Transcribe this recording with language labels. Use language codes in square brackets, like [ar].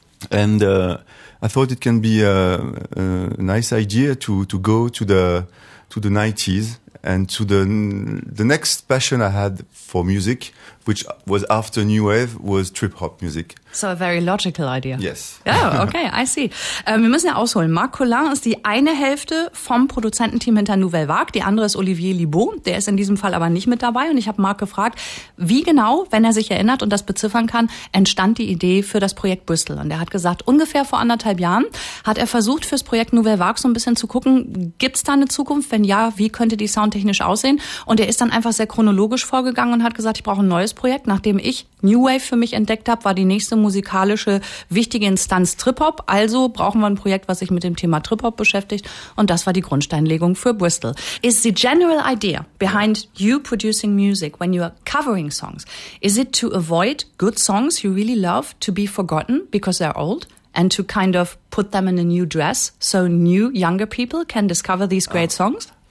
[en] And I thought it can be a nice idea to go to the 90s and to the next passion I had for music, which was after New Wave, was trip-hop music. So a very logical idea. Yes. Oh, okay, I see. [de] Wir müssen ja ausholen. Marc Coulin ist die eine Hälfte vom Produzententeam hinter Nouvelle Vague. Die andere ist Olivier Libeau. Der ist in diesem Fall aber nicht mit dabei. Und ich habe Marc gefragt, wie genau, wenn er sich erinnert und das beziffern kann, entstand die Idee für das Projekt Bristol. Und er hat gesagt, ungefähr vor anderthalb Jahren hat er versucht, fürs Projekt Nouvelle Vague so ein bisschen zu gucken, gibt's da eine Zukunft? Wenn ja, wie könnte die soundtechnisch aussehen? Und er ist dann einfach sehr chronologisch vorgegangen und hat gesagt, ich brauche ein neues Projekt. Nachdem ich New Wave für mich entdeckt habe, war die nächste musikalische wichtige Instanz Trip-Hop. Also brauchen wir ein Projekt, was sich mit dem Thema Trip-Hop beschäftigt. Und das war die Grundsteinlegung für Bristol. [en] Is the general idea behind you producing music when you are covering songs, is it to avoid good songs you really love to be forgotten because they're old and to kind of put them in a new dress so new, younger people can discover these great songs?